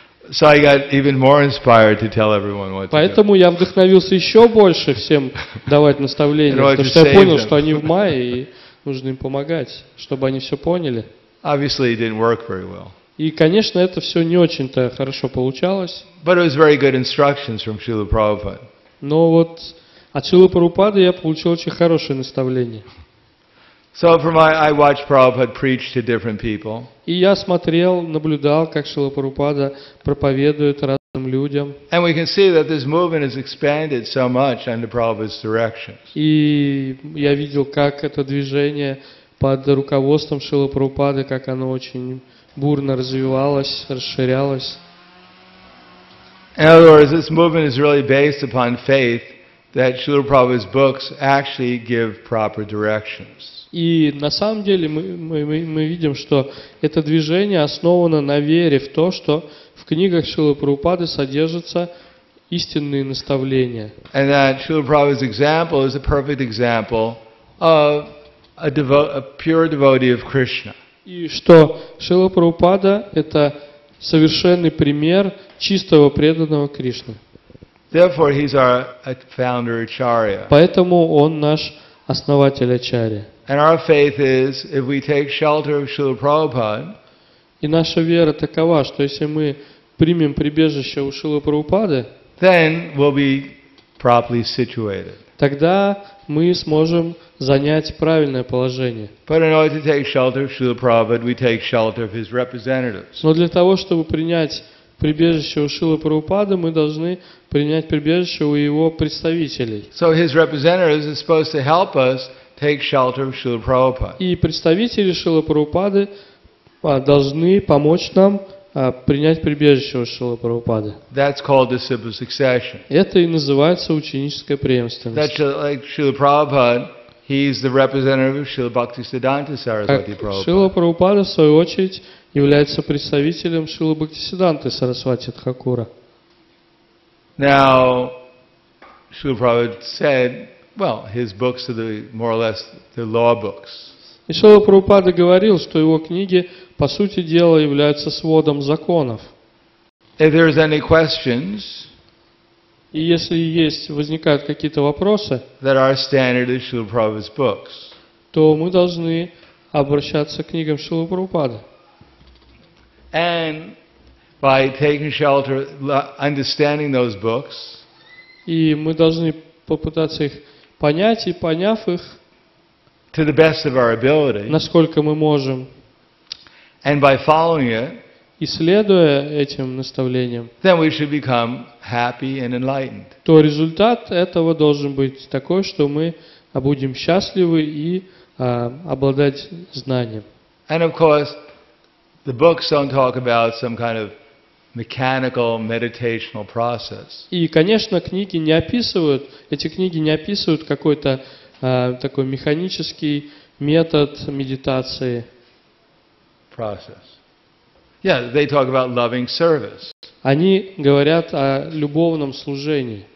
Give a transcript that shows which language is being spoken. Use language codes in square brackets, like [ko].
[en] So I got even more inspired to tell everyone what to do. [ru] Поэтому я вдохновился еще больше всем давать наставления, потому что я понял, что они в Майе и нужно им помогать, чтобы они все поняли. [en] Obviously, it didn't work very well. [ru] И, конечно, это все не очень-то хорошо получалось. [en] But it was very good instructions from Srila Prabhupada. [ru] Но вот от Шрилы Прабхупады я получил очень хорошее наставление. [en] So from my, I watched Prabhupada preach to different people. [ru] И я смотрел, наблюдал, как Шрила Прабхупада проповедует разным людям. [en] And we can see that this movement has expanded so much under Prabhupada's direction. [ru] И я видел, как это движение под руководством Шрилы Прабхупады, как оно очень бурно развивалось, расширялось. [en] In other words, this movement is really based upon faith that Srila Prabhupada's books actually give proper directions. [ru] И на самом деле мы видим, что это движение основано на вере в то, что в книгах Шрилы Прабхупады содержатся истинные наставления. [en] And that Srila Prabhupada's example is a perfect example of a pure devotee of Krishna. [ru] И что Шрила Прабхупада это совершенный пример чистого преданного Кришны. [en] Therefore, he's our founder Acharya. [ru] Поэтому он наш основатель Ачарья. [en] And our faith is, if we take shelter of Srila Prabhupada. [ru] И наша вера такова, что если мы примем прибежище у Шрилы Прабхупады, [en] then we'll be properly situated. [ru] Тогда мы сможем занять правильное положение. [en] But in order to take shelter of Srila Prabhupada, we take shelter of his representatives. [ru] Но для того, чтобы принять прибежище у Шрилы Прабхупады, мы должны принять прибежище у его представителей. [en] So his representatives are supposed to help us take shelter of Srila Prabhupada. [ru] И представители Шрилы Прабхупады должны помочь нам принять прибежище у Шрилы Прабхупады. [en] That's called disciple succession. [ru] Это и называется ученическая преемственность. [en] That's like Srila Prabhupada, he's the representative of Srila Bhaktisiddhanta Saraswati Prabhupada. [ru] Шрила Прабхупада, в свою очередь, является представителем Шрилы Бхактисиддханты Сарасвати Тхакура. [en] Now, Srila Prabhupada said, well, his books are the, more or less the law books. [ru] И Шрила Прабхупада говорил, что его книги, по сути дела, являются сводом законов. [en] If there is any questions, [ru] и если есть, возникают какие-то вопросы, [en] that our standard is Srila Prabhupada's books, [ru] то мы должны обращаться к книгам Шрилы Прабхупады. [en] And by taking shelter, understanding those books, [ru] и мы должны попытаться их понять и поняв их, [en] to the best of our ability, [ru] насколько мы можем, [en] and by following it, [ru] и следуя этим наставлениям, [en] then we should become happy and enlightened. [ru] То результат этого должен быть такой, что мы будем счастливы и обладать знанием. [en] And of course. The books don't talk about some kind of mechanical meditational process. [ru] И, конечно, книги не описывают, эти книги не описывают какой-то такой механический метод медитации. [en] Process. Yeah, they talk about loving service. [ru] Они говорят о любовном служении.